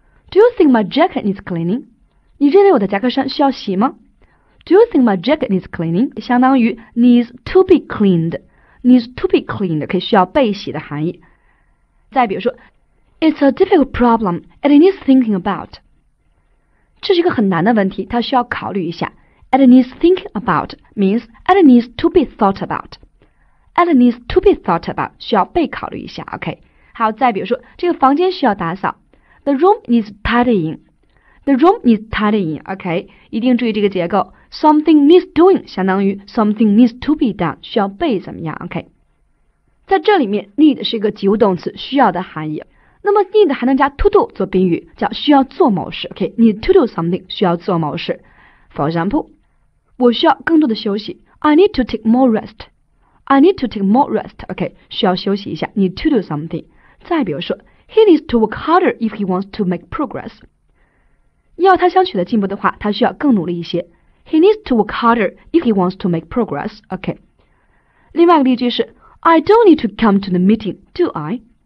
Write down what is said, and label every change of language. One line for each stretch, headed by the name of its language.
English: Do you think my jacket needs cleaning?
Chinese: 你认为我的夹克衫需要洗吗 ?
English: Do you think my jacket needs cleaning?
Chinese: 相当于
English: needs to be cleaned,
Chinese: needs to be cleaned, 可以需要被洗的含义。再比如说
English: It's a difficult problem, and it needs thinking about.
Chinese: 这是一个很难的问题，它需要考虑一下。
English: And it needs thinking about means and it needs to be thought about. And it needs to be thought about
Chinese: 需要被考虑一下
English: ,OK?
Chinese: 好，再比如说，这个房间需要打扫。
English: The room needs tidying. The room needs tidying, OK?
Chinese: 一定注意这个结构。
English: Something needs doing 相当于 something needs to be done,
Chinese: 需要被怎么样 ,OK? 在这里面 ,need 是一个及物动词需要的含义。那么 need 还能加 to do 做宾语，叫需要做某事。OK, need to do something 需要做某事。
English: For example,
Chinese: 我需要更多的休息。
English: I need to take more rest. I need to take more rest. OK,
Chinese: 需要休息一下。
English: Need to do something.
Chinese: 再比如说
English: ，He needs to work harder if he wants to make progress.
Chinese: 要他想取得进步的话，他需要更努力一些。
English: He needs to work harder if he wants to make progress. OK.
Chinese: 另外一个例句是
English: ，I don't need to come to the meeting, do I?